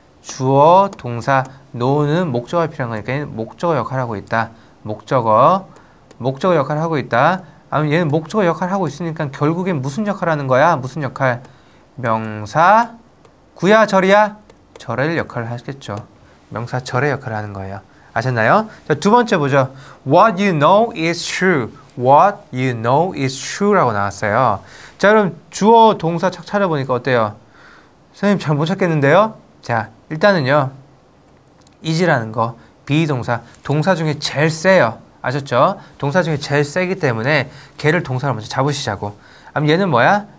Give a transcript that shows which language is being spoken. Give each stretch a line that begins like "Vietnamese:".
Korean: 주어, 동사, 노는 목적어가 필요한 거니까 목적어 역할을 하고 있다. 목적어. 목적어 역할을 하고 있다. 아니면 얘는 목적어 역할을 하고 있으니까 결국엔 무슨 역할을 하는 거야? 무슨 역할? 명사, 구야, 절이야? 절의 역할을 하겠죠. 명사 절의 역할을 하는 거예요. 아셨나요? 자, 두 번째 보죠.
English: What you know is true. What you know is true
Korean: 라고 나왔어요. 자, 그럼 주어, 동사 찾아보니까 어때요? 선생님, 잘 못 찾겠는데요? 자, 일단은요. is라는 거, be 동사, 동사 중에 제일 세요. 아셨죠? 동사 중에 제일 세기 때문에 걔를 동사로 먼저 잡으시자고. 그럼 얘는 뭐야?